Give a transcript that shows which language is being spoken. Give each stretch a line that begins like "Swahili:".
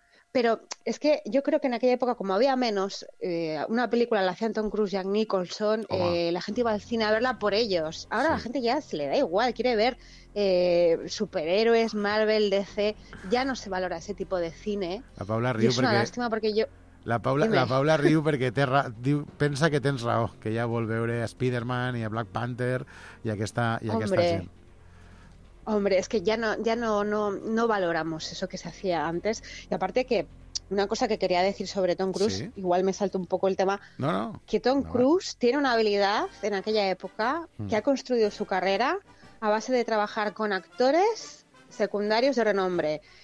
Spanish: Pero es que yo creo que en aquella época, como había menos, una película la hacían Tom Cruise y Jack Nicholson, la gente iba al cine a verla por ellos. Ahora la gente ya se le da igual, quiere ver superhéroes, Marvel, DC, ya no se valora ese tipo de cine. La Paula Riu, es una lástima porque yo...
Catalan: La Paula riu perquè pensa que tens raó, que ja vol veure a Spider-Man i a Black Panther i aquesta gent.
Spanish: Hombre, es que ya no valoramos eso que se hacía antes. Y aparte que una cosa que quería decir sobre Tom Cruise, igual me salto un poco el tema, que Tom Cruise tiene una habilidad en aquella época que ha construido su carrera a base de trabajar con actores secundarios de renombre.